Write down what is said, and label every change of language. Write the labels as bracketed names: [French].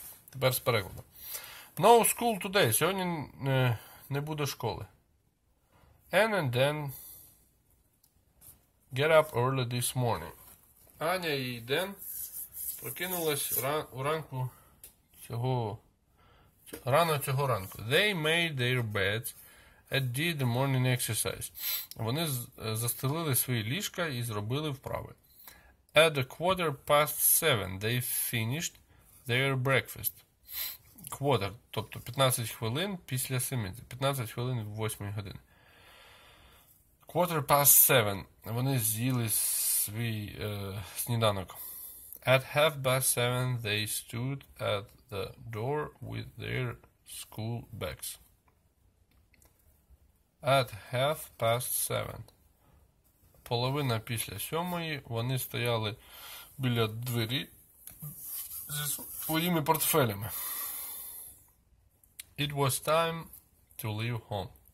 [Ukrainian] Тепер з перекладом. [English] No school today. [Ukrainian] Сьогодні не буде школи. [English] Anne and Dan get up early this morning. [Ukrainian] Аня і Ден прокинулись уранку рано цього ранку. [English] They made their beds and did the morning exercise. [Ukrainian] Вони застелили свої ліжка і зробили вправи. [English] At 7:15 they finished their breakfast. [Ukrainian] Квотер, тобто 15 хвилин після 7, 15 хвилин в 8 годин. 7:15, вони з'їли свій сніданок. [English] At 7:30 they stood at the door with their school bags. At 7:30, [Ukrainian] половина після 7, вони стояли біля двері зі своїми портфелями. [English] It was time to leave home.